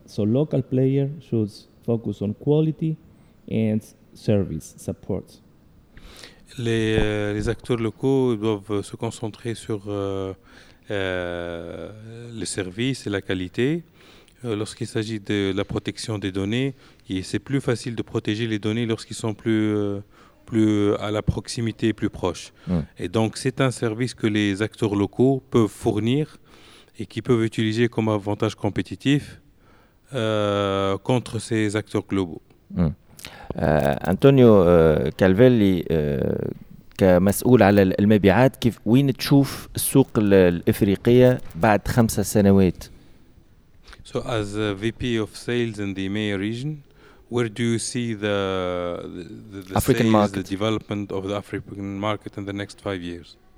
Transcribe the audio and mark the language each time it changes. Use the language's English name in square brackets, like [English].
[English] So local player should focus on quality and service support. [French] Les acteurs locaux doivent se concentrer sur les services et la qualité. Lorsqu'il s'agit de la protection des données, c'est plus facile de protéger les données lorsqu'ils sont plus à la proximité, plus proche. Et donc, c'est un service que les acteurs locaux peuvent fournir et qu'ils peuvent utiliser comme avantage compétitif contre ces acteurs globaux. [Arabic] أنطونيو كالفيلي كمسؤول على المبيعات, كيف وين تشوف السوق الإفريقية بعد 5 سنوات؟ [English] So as a VP of sales in the EMEA region, where do you see the African sales, market, the development of the African market in the next 5 years?